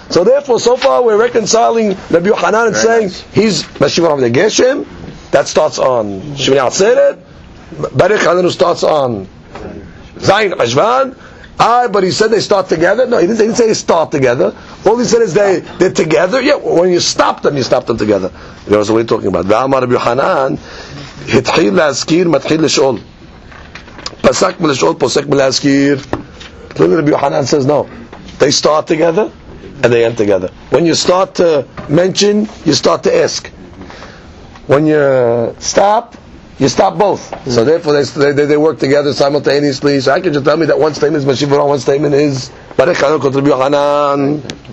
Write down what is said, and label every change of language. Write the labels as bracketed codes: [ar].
[en] So therefore, so far we're reconciling Rabbi Yohanan and saying he's Mashiv Rami Degeshem, that starts on Shmini Atzeret, Baruch Aleinu starts on Zayin Heshvan. But he said they start together. No, he didn't say they start together. All he said is they're together. Yeah, when you stop them, you stop them together. That's what we're talking about. [he] V'amar Rabbi Yohanan, התחיל להזכיר, מתחיל לשאול. פסק מלשאול, פוסק מלהזכיר. [en] Look at Rabbi Yohanan says, no. They start together, and they end together. When you start to mention, you start to ask. When you stop, you stop both. Mm-hmm. So therefore, they work together simultaneously. So how can you tell me that one statement is Mashiv Baruch, one statement is Baruch Aleinu kol Rabbi Yohanan?